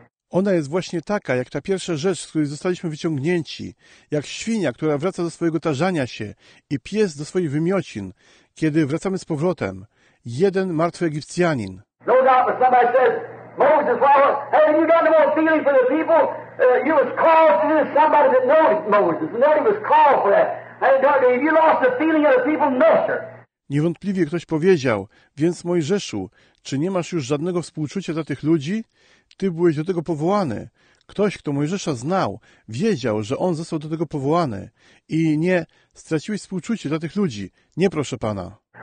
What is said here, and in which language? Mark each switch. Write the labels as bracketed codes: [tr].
[pl] Ona jest właśnie taka, jak ta pierwsza rzecz, z której zostaliśmy wyciągnięci, jak świnia, która wraca do swojego tarzania się i pies do swoich wymiocin, kiedy wracamy z powrotem. Jeden martwy Egipcjanin. [en] No doubt, but somebody says, Moses, well, haven't you got no feeling for the people? You was called to this. Somebody that knows Moses, and nobody was called for that. And have you lost the feeling of the people? No, sir. [pl] Niewątpliwie ktoś powiedział, więc Mojżeszu, czy nie masz już żadnego współczucia dla tych ludzi? Ty byłeś do tego powołany. Ktoś, kto Mojżesza znał, wiedział, że on został do tego powołany. I nie, straciłeś współczucie dla tych ludzi. Nie, proszę Pana.